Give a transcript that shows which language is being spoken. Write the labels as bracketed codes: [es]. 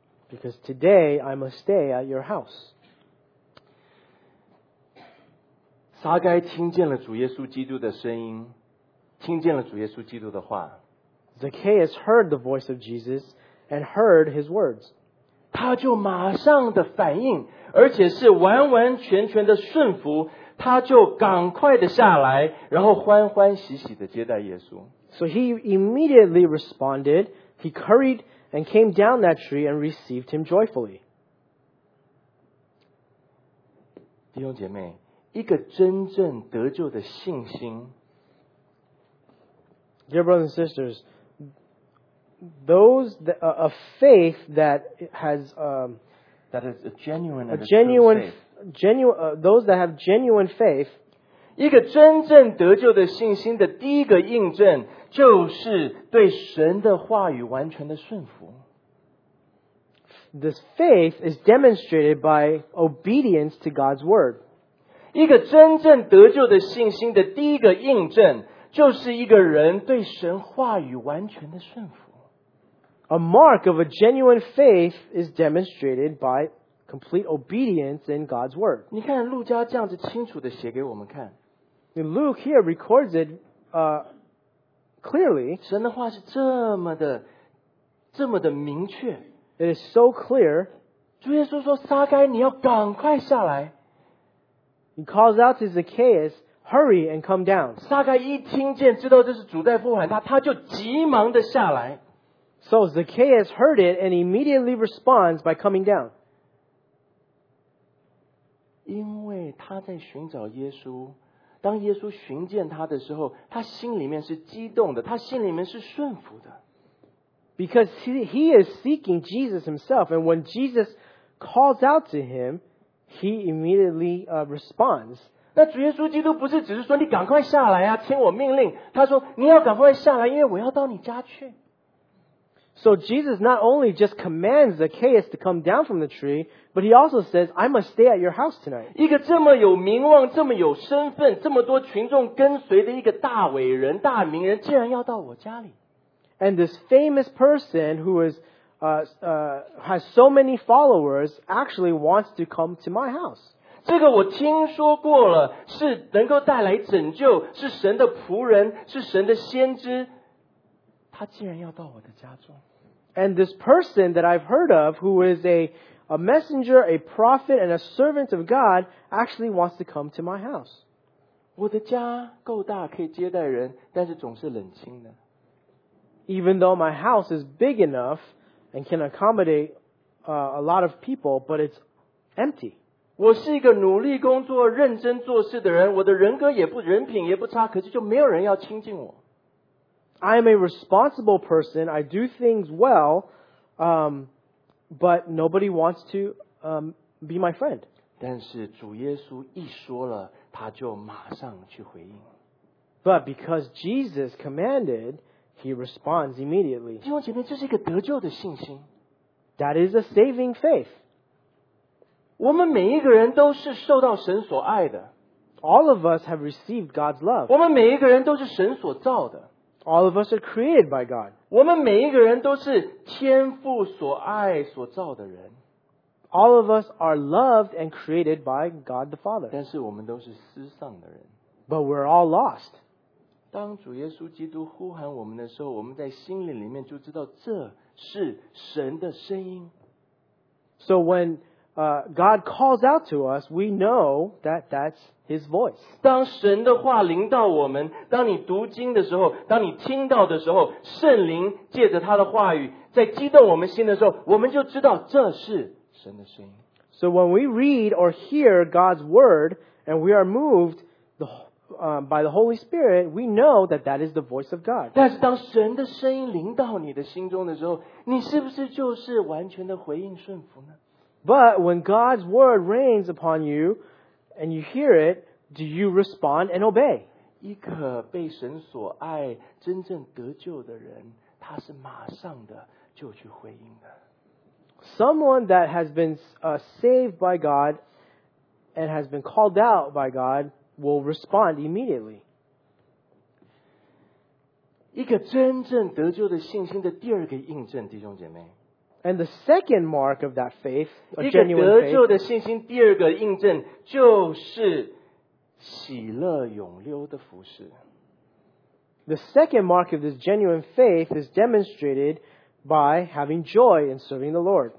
[en] Because today I must stay at your house. [zh] 撒该听见了主耶稣基督的声音，听见了主耶稣基督的话。 [en] Zacchaeus heard the voice of Jesus and heard his words. [zh] 他就马上的反应，而且是完完全全的顺服。他就赶快的下来，然后欢欢喜喜的接待耶稣。 [en] So he immediately responded. He hurried and came down that tree and received him joyfully. [zh] 弟兄姐妹，一个真正得救的信心。 [en] Dear brothers and sisters, those that, a faith that has that is a genuine a genuine faith. Those that have genuine faith, [zh] 一个真正得救的信心的第一个印证就是对神的话语完全的顺服。 [en] This faith is demonstrated by obedience to God's word. [zh] 一个真正得救的信心的第一个印证就是一个人对神话语完全的顺服。 [en] A mark of a genuine faith is demonstrated by complete obedience in God's word. [zh] 你看路加这样子清楚地写给我们看。 [en] Luke here records it clearly. [zh] 神的话是这么的明确。 [en] It is so clear. [zh] 主耶稣说撒该你要赶快下来。 [en] He calls out to Zacchaeus, hurry and come down. [zh] 撒该一听见知道这是主在呼喊他，他就急忙地下来。 [en] So Zacchaeus heard it and immediately responds by coming down. [zh] 因为他在寻找耶稣，当耶稣寻见他的时候，他心里面是激动的，他心里面是顺服的。 [en] Because he is seeking Jesus himself, and when Jesus calls out to him, he immediately responds. [zh] 那主耶稣基督不是只是说你赶快下来啊，听我命令。他说你要赶快下来，因为我要到你家去。 [en] So Jesus not only just commands Zacchaeus to come down from the tree, but he also says, I must stay at your house tonight. [zh] 一个这么有名望、这么有身份、这么多群众跟随的一个大伟人、大名人，竟然要到我家里。 [en] And this famous person who is, has so many followers actually wants to come to my house. [zh] 这个我听说过了，是能够带来拯救，是神的仆人，是神的先知。他竟然要到我的家中。 [en] And this person that I've heard of, who is a messenger, a prophet, and a servant of God, actually wants to come to my house. [zh] 我的家够大，可以接待人，但是总是冷清的。 [en] Even though my house is big enough and can accommodate a lot of people, but it's empty. [zh] 我是一个努力工作、认真做事的人，我的人格也不人品也不差，可是就没有人要亲近我。 [en] I am a responsible person. I do things well, but nobody wants to be my friend. [zh] 但是主耶稣一说了，他就马上去回应。 [en] But because Jesus commanded, He responds immediately. [zh] 弟兄姐妹，这是一个得救的信心。 [en] That is a saving faith. [zh] 我们每一个人都是受到神所爱的。 [en] All of us have received God's love. [zh] 我们每一个人都是神所造的。 [en] All of us are created by God. [zh] 我们每一个人都是天父所爱所造的人。 [en] All of us are loved and created by God the Father. [zh] 但是我们都是失丧的人。 [en] But we're all lost. [zh] 当主耶稣基督呼喊我们的时候，我们在心灵里面就知道这是神的声音。 [en] So when God calls out to us, we know that that's His voice. [zh] 当神的话临到我们，当你读经的时候，当你听到的时候，圣灵借着他的话语在激动我们心的时候，我们就知道这是神的声音。 [en] So when we read or hear God's word and we are moved by the Holy Spirit, we know that that is the voice of God. [zh] 但是当神的声音临到你的心中的时候，你是不是就是完全的回应顺服呢？ [en] But when God's word rains upon you and you hear it, do you respond and obey? [zh] 一个被神所爱真正得救的人，他是马上的就去回应的。 [en] Someone that has been saved by God and has been called out by God will respond immediately. [zh] 一个真正得救的信心的第二个印证，弟兄姐妹。 [en] And the second mark of that faith, a genuine faith, [zh] 一个得救的信心第二个印证就是喜乐永留的服事。 [en] The second mark of this genuine faith is demonstrated by having joy in serving the Lord.